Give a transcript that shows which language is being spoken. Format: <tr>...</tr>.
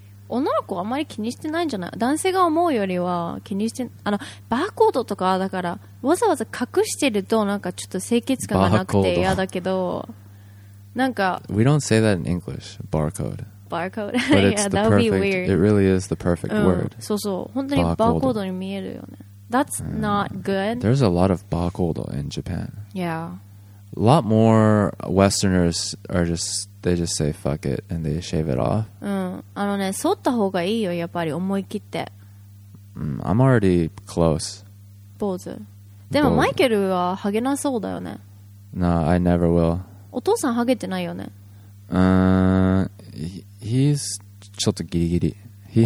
<ja>女の子あまり気にしてないんじゃない男性が思うよりは気にしてあのバーコードとかだからわざわざ隠してるとなんかちょっと清潔感がなくて嫌だけどなんか</ja> <en>We don't say that in English, barcode. Barcode? But it's yeah, the that would perfect, be weird. It really is the perfect、うん、word.</en> <ja>そうそう。本当にバーコードに見えるよね。</ja> <en>That's、yeah. not good. There's a lot of barcode in Japan. Yeah. A lot more Westerners are just, they just say fuck it and they shave it off.</en> <ja>うん。あのね、剃った方がいいよ、やっぱり思い切って。</ja> <en>I'm already close.</en> <ja>坊主。でもマイケルはハゲなそうだよね。</ja> <en>No, I never will.</en> <ja>お父さんハゲてないよね。</ja> <en>He's</en> <ja>ちょっとギリギリ。</ja> <en>He</en>